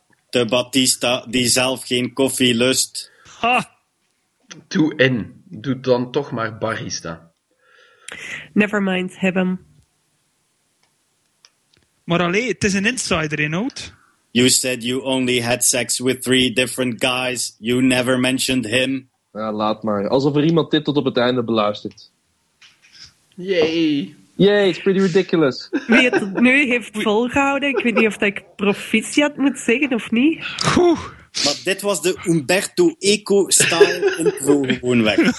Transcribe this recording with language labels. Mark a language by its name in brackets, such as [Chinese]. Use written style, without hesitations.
[Dutch] De Batista die zelf geen koffie lust. Ha! Doe in. Doe dan toch maar barista. [English] Never mind, [Dutch] heb hem. Maar allee, het is een insider inhoud. [English] You said you only had sex with 3 different guys. You never mentioned him. [Dutch] Ja, laat maar. Alsof er iemand dit tot op het einde beluistert. Yay. [English] Yay, it's pretty ridiculous. [Dutch] Wie het nu heeft volgehouden, ik weet niet of dat ik proficiat moet zeggen of niet. Oeh. Maar dit was de Umberto Eco style intro gewoon weg.